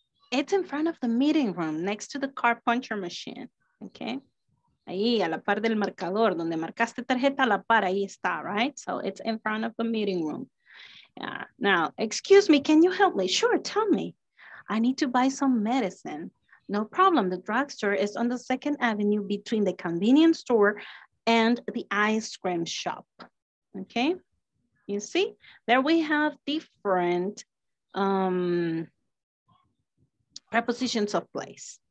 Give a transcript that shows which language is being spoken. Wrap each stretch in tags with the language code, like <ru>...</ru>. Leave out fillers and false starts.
<en>It's in front of the meeting room next to the car puncher machine, okay?</en> <es>Ahí, a la par del marcador, donde marcaste tarjeta, a la par, ahí está, right?</es> <en>So it's in front of the meeting room. Yeah. Now, excuse me, can you help me? Sure, tell me. I need to buy some medicine. No problem. The drugstore is on the 2nd Avenue between the convenience store and the ice cream shop. Okay? You see? There we have different prepositions of place.</en>